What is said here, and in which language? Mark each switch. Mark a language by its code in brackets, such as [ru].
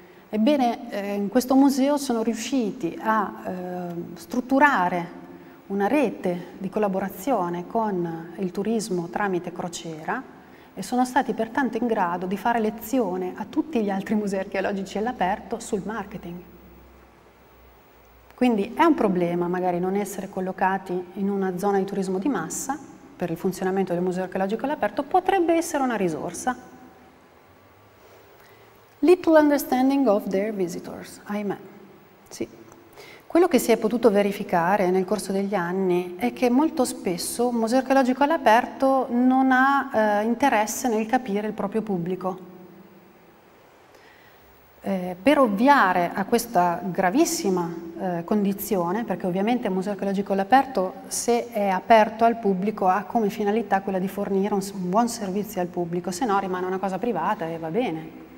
[it] Ebbene, in questo museo sono riusciti a strutturare una rete di collaborazione con il turismo tramite crociera e sono stati pertanto in grado di fare lezione a tutti gli altri musei archeologici all'aperto sul marketing. Quindi è un problema magari non essere collocati in una zona di turismo di massa per il funzionamento del museo archeologico all'aperto, potrebbe essere una risorsa. [en] Little understanding of their visitors, ahimè. [it] Sì. Quello che si è potuto verificare nel corso degli anni è che molto spesso un museo archeologico all'aperto non ha interesse nel capire il proprio pubblico. Per ovviare a questa gravissima condizione, perché ovviamente il Museo Archeologico all'Aperto, se è aperto al pubblico, ha come finalità quella di fornire un buon servizio al pubblico, se no rimane una cosa privata e va bene.